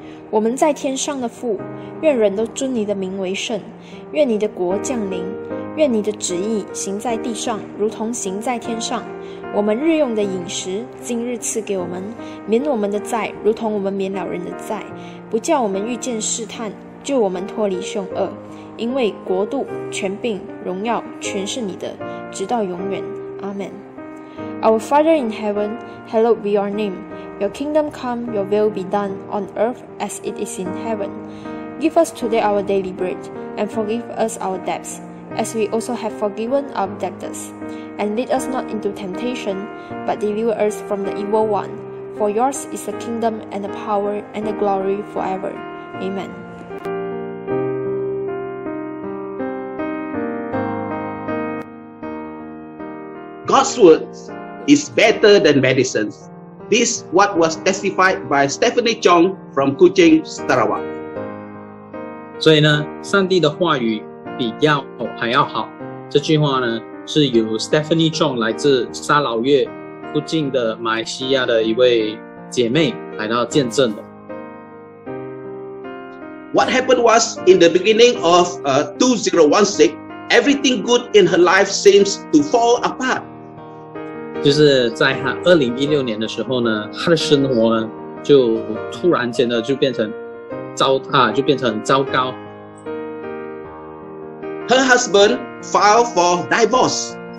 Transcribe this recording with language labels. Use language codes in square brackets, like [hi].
[zh] 我们在天上的父，愿人都尊你的名为圣，愿你的国降临，愿你的旨意行在地上，如同行在天上。我们日用的饮食，今日赐给我们，免我们的债，如同我们免了人的债，不叫我们遇见试探，救我们脱离凶恶。因为国度、权柄、荣耀，全是你的，直到永远。阿们。 [en] Our Father in heaven, hallowed be your name. Your kingdom come, your will be done, on earth as it is in heaven. Give us today our daily bread, and forgive us our debts, as we also have forgiven our debtors. And lead us not into temptation, but deliver us from the evil one. For yours is the kingdom and the power and the glory forever. Amen. God's words is better than medicines. This what was testified by Stephanie Chong from Kuching, Sarawak. [zh] 所以呢，上帝的话语比药还要好。这句话呢，是由 Stephanie Chong 来自沙劳越附近的马来西亚的一位姐妹来到见证的。 [en] What happened was in the beginning of 2016, everything good in her life seems to fall apart. [zh] 就是在他2016年的时候呢，他的生活呢就突然间的就变成糟糕。 [en] Her husband filed for divorce.